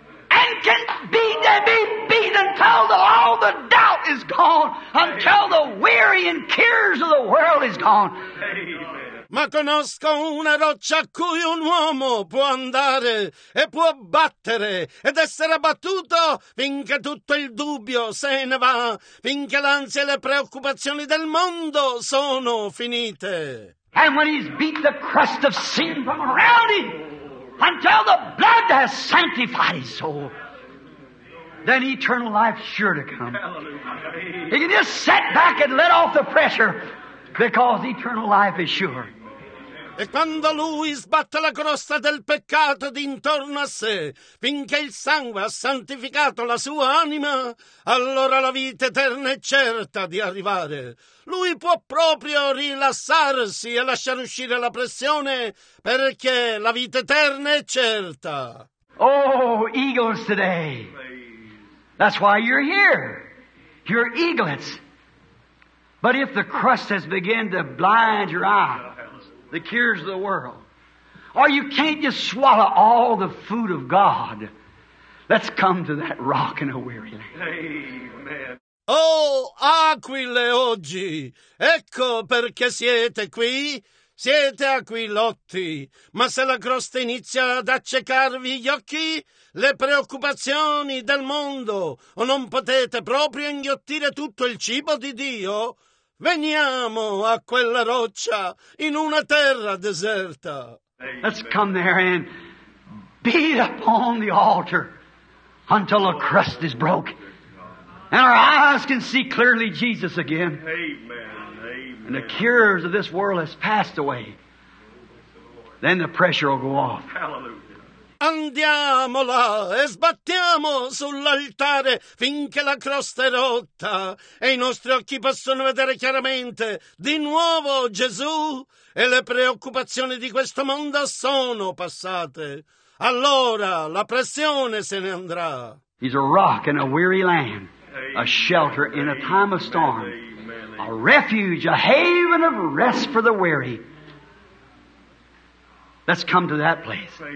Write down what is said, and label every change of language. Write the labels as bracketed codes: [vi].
[en] And can be beat until all the doubt is gone. Until the weary and cares of the world is gone. [it] Ma conosco una roccia a cui un uomo può andare e può battere ed essere battuto finché tutto il dubbio se ne va, finché l'ansia e le preoccupazioni del mondo sono finite. [en] And when he's beat the crust of sin from around him until the blood has sanctified his soul, then eternal life's sure to come. He can just sit back and let off the pressure because eternal life is sure. [it] E quando lui sbatte la crosta del peccato d'intorno a sé, finché il sangue ha santificato la sua anima, allora la vita eterna è certa di arrivare. Lui può proprio rilassarsi e lasciare uscire la pressione, perché la vita eterna è certa. [en] Oh, eagles today. That's why you're here. You're eaglets. But if the crust has begun to blind your eye, the cures of the world, or you can't just swallow all the food of God, let's come to that rock in a weary land. Amen. [it] Oh, aquile oggi, ecco perché siete qui. Siete aquilotti, ma se la crosta inizia ad accecarvi gli occhi, le preoccupazioni del mondo, o non potete proprio inghiottire tutto il cibo di Dio, veniamo a quella roccia in una terra deserta. [en] Let's come there and beat upon the altar until the crust is broke and our eyes can see clearly Jesus again. Amen. And the cures of this world has passed away. Then the pressure will go off. Hallelujah. [it] Andiamola e sbattiamo sull'altare finché la crosta è rotta e i nostri occhi possono vedere chiaramente di nuovo Gesù e le preoccupazioni di questo mondo sono passate. Allora la pressione se ne andrà. [en] He's a rock in a weary land, a shelter in a time of storm, a refuge, a haven of rest for the weary. Let's come to that place.